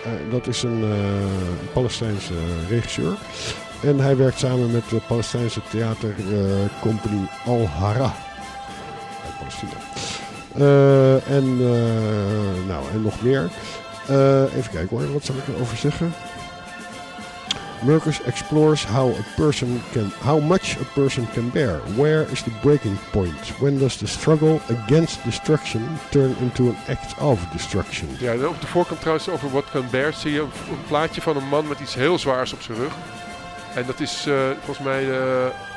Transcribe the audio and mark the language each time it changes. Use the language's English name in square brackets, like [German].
[Dutch] Dat is een Palestijnse regisseur. En hij werkt samen met de Palestijnse theatercompany Al-Hara. Uit Palestina. En nog meer. Even kijken hoor, wat zal ik erover zeggen? [English] Murkus explores how much a person can bear. Where is the breaking point? When does the struggle against destruction turn into an act of destruction? [Dutch] Ja, op de voorkant trouwens over [English] what can bear [Dutch] zie je een plaatje van een man met iets heel zwaars op zijn rug. En dat is volgens mij de...